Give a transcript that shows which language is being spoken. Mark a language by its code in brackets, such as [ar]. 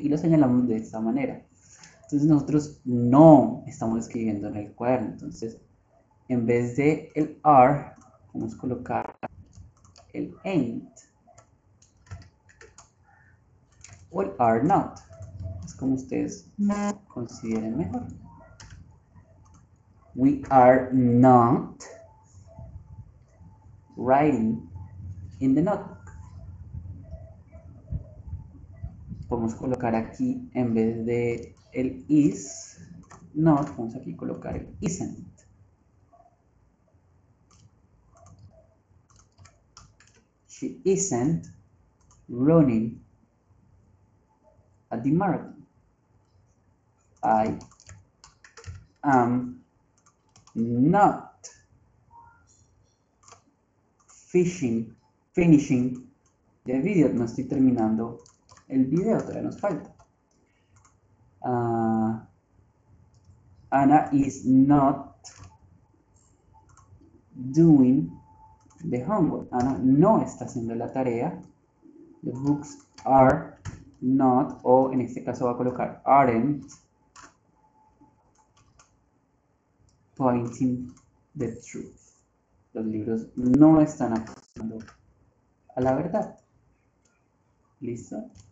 [es] Y lo señalamos de esta manera. Entonces, nosotros no estamos escribiendo en el cuaderno. Entonces, en vez de el are, vamos a colocar el ain't o el are not. Es como ustedes No. consideren mejor. [en] We are not writing in the notebook. [es] Podemos colocar aquí en vez de el is not, vamos aquí a colocar el isn't. [en] She isn't running at the marathon. I am not finishing the video. [es] No estoy terminando el video, todavía nos falta. [en] Ana is not doing the homework. [es] Ana no está haciendo la tarea. [en] The books are not, [es] o en este caso va a colocar [en] aren't pointing the truth. [es] Los libros no están apuntando a la verdad. ¿Listo?